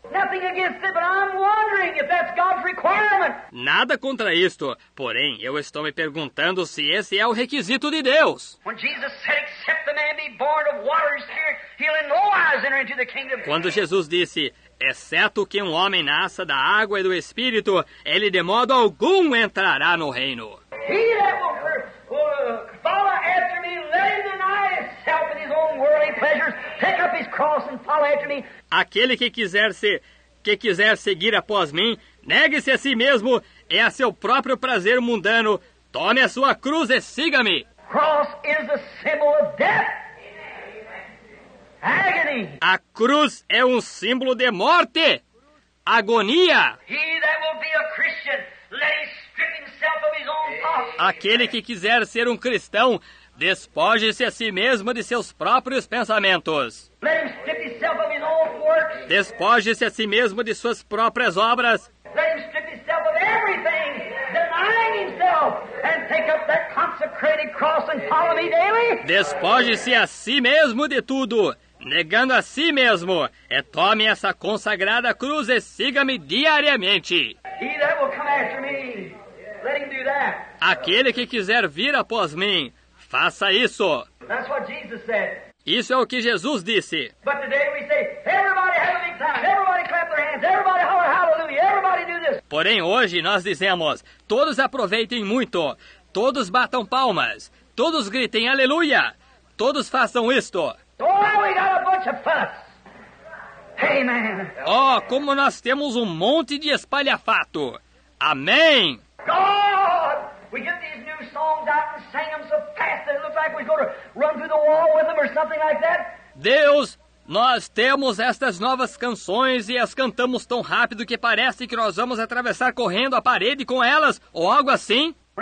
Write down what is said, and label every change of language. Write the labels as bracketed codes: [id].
[en] Nothing against it, but I'm wondering if that's God's requirement. [pt] Nada contra isto, porém, eu estou me perguntando se esse é o requisito de Deus. [en] When Jesus said, except the man be born of water and spirit, he'll in no wise enter into the kingdom. [pt] Quando Jesus disse, exceto que um homem nasça da água e do Espírito, ele de modo algum entrará no reino. [en] He that will follow after me, let him deny himself and his own worldly pleasures, pick up his cross and follow after me. [pt] Aquele que quiser seguir após mim, negue-se a si mesmo e a seu próprio prazer mundano. Tome a sua cruz e siga-me. [en] Cross is a symbol of death. Agony. [pt] A cruz é um símbolo de morte. Agonia. [en] He that will be a Christian, let him strip himself of his own thoughts. [pt] Aquele que quiser ser um cristão, despoje-se a si mesmo de seus próprios pensamentos. [en] Let him strip himself of his own works. [pt] Despoje-se a si mesmo de suas próprias obras. [en] Let him strip himself of everything, denying himself, and take up that consecrated cross and follow me daily. [pt] Despoje-se a si mesmo de tudo, negando a si mesmo, e tome essa consagrada cruz e siga-me diariamente. [en] He that will come after me, let him do that. [pt] Aquele que quiser vir após mim, faça isso. [en] That's what Jesus said. [pt] Isso é o que Jesus disse. [en] But today we say, everybody have a big time. Everybody clap their hands. Everybody holler hallelujah. Everybody do this. [pt] Porém, hoje nós dizemos, todos aproveitem muito. Todos batam palmas. Todos gritem aleluia. Todos façam isto. [en] Oh, we got a bunch of fuss. Amen. [pt] Oh, como nós temos um monte de espalhafato. Amém. [en] God, we get these new songs out and sing them so fast that it looks like we're going to run through the wall with them or something like that. [pt] Deus, nós temos estas novas canções e as cantamos tão rápido que parece que nós vamos atravessar correndo a parede com elas ou algo assim.